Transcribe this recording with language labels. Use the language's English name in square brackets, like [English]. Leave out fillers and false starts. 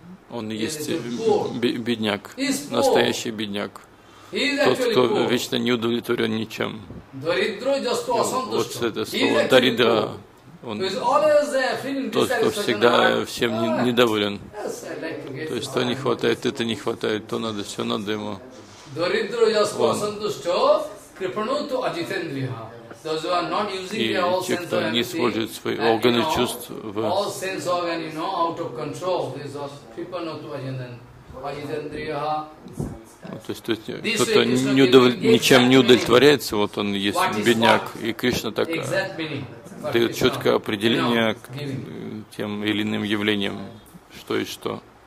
[Russian] Он есть бедняк, настоящий бедняк, тот, кто вечно не удовлетворен ничем. Вот это слово «даридра», он тот, кто всегда всем недоволен. То есть то не хватает, это не хватает, то надо, все надо ему. Он. [English] Those who are not using their all sense organs, [Russian] не использует свои органы чувств. [English] All sense organs, you know, out of control. These are Kripanu to Ajitendriya. [Russian] То есть кто-то ничем не удовлетворяется, вот он есть бедняк, и Кришна так дает четкое определение к тем или иным явлениям, что и что.